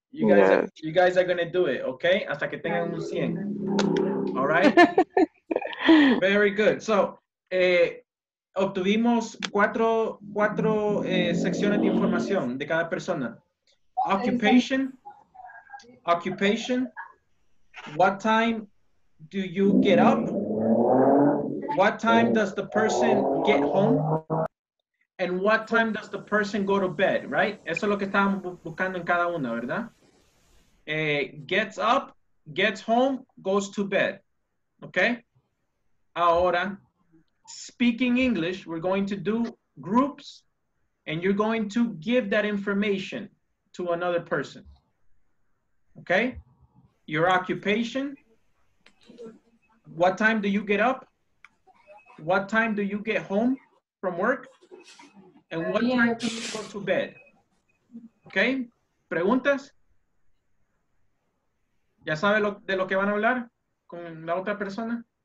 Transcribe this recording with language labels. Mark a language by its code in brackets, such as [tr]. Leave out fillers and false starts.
[en] You guys are going to do it, okay? [es] Hasta que tengan un 100. [en] All right? Very good. [es] So, obtuvimos cuatro secciones de información de cada persona. [en] Occupation. What time do you get up? What time does the person get home? And what time does the person go to bed, right? [es] Eso es lo que estábamos buscando en cada una, ¿verdad? [en] Gets up, gets home, goes to bed. Okay? Ahora, speaking English, we're going to do groups, and you're going to give that information to another person. Okay? Your occupation. What time do you get up? What time do you get home from work? And what time do you go to bed? [es] Okay? ¿Preguntas? ¿Ya sabe de lo que van a hablar con la otra persona?